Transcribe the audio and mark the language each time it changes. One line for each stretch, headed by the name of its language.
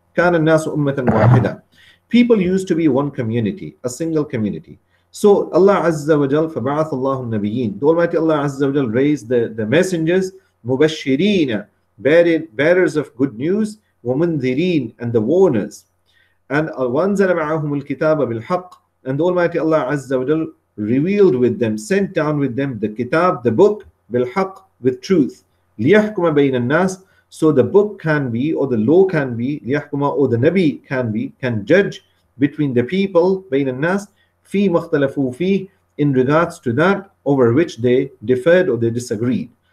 Arabic: كَانَ النَّاسُ أُمَّةً وَاحِدًا.
English: People used to be one community, a single community. So Allah Azza wa Jal,
Arabic: فَبَعَثَ اللَّهُ النَّبِيِّينَ.
English: The Almighty Allah Azza wa Jal raised the messengers,
Arabic: مُبَشِّرِينَ,
English: bearers of good news,
Arabic: وَمُنذِرِينَ,
English: and the warners. And
Arabic: وَأَنزَلَ مَعَهُمُ الْكِتَابَ بِالْحَقِّ.
English: And the Almighty Allah Azza wa Jal revealed with them, sent down with them the kitab, the book, bilhaq, with truth.
Arabic: لِيَحْكُمَ بَيْنَ النَّاسِ.
English: So the book can be, or the law can be,
Arabic: لِيَحْكُمَ,
English: or the Nabi can be, can judge between the people,
Arabic: بَيْنَ النَّاسِ, فِي مَخْتَلَفُوا فِيهِ,
English: in regards to that over which they differed or they disagreed.